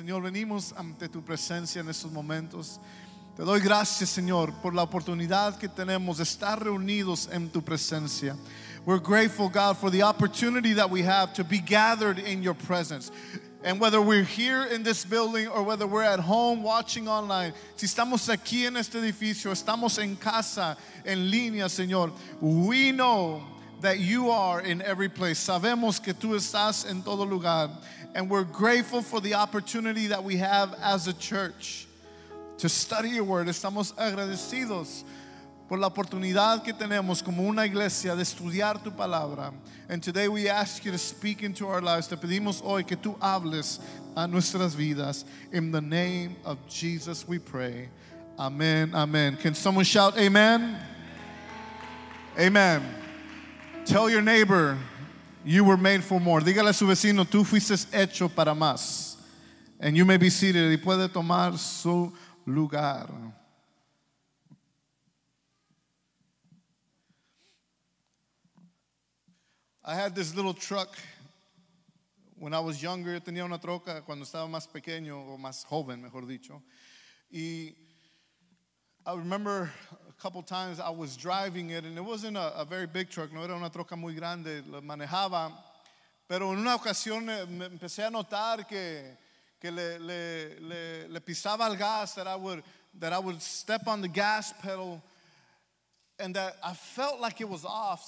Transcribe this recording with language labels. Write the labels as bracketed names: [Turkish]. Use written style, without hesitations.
[Spanish] Señor, venimos ante tu presencia en estos momentos. Te doy gracias, Señor, por la oportunidad que tenemos de estar reunidos en tu presencia. [English] We're grateful, God, for the opportunity that we have to be gathered in your presence. And whether we're here in this building or whether we're at home watching online, [Spanish] si estamos aquí en este edificio, estamos en casa, en línea, Señor, [English] we know that you are in every place. [Spanish] Sabemos que tú estás en todo lugar. [English] And we're grateful for the opportunity that we have as a church to study your word. [Spanish] Estamos agradecidos por la oportunidad que tenemos como una iglesia de estudiar tu palabra. [English] And today we ask you to speak into our lives. [Spanish] Te pedimos hoy que tú hables a nuestras vidas. [English] In the name of Jesus we pray. Amen, amen. Can someone shout amen? Amen. Tell your neighbor, you were made for more. [Spanish] Dígale a su vecino, tú fuiste hecho para más. [English] And you may be seated. [Spanish] Y puede tomar su lugar. [English] I had this little truck when I was younger. [Spanish] Tenía una troca cuando estaba más pequeño o más joven, mejor dicho. [English] Y I remember a couple times I was driving it, and it wasn't a very big truck. [Spanish] No era una troca muy grande. Lo manejaba, pero en una ocasión me empecé a notar que le pisaba el gas, [English] that I would step on the gas pedal, and that I felt like it was off.